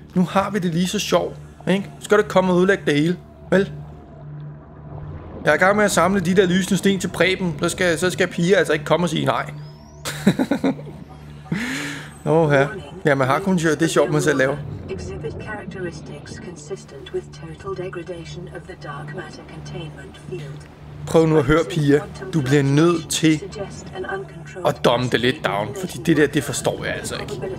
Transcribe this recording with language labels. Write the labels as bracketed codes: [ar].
[da] Nu har vi det lige så sjovt, ikke? Skal du komme og udlægge det hele, vel? Jeg er i gang med at samle de der lysende sten til Preben. Så skal Pia altså ikke komme og sige nej. Nå, her. Ja, man har kun sjovt. Det er sjovt, man selv laver. [en] Exhibit characteristics consistent with total degradation of the dark matter containment field. [da] Prøv nu at høre, Pia. Du bliver nødt til at domme det lidt down, fordi det der, det forstår jeg altså ikke.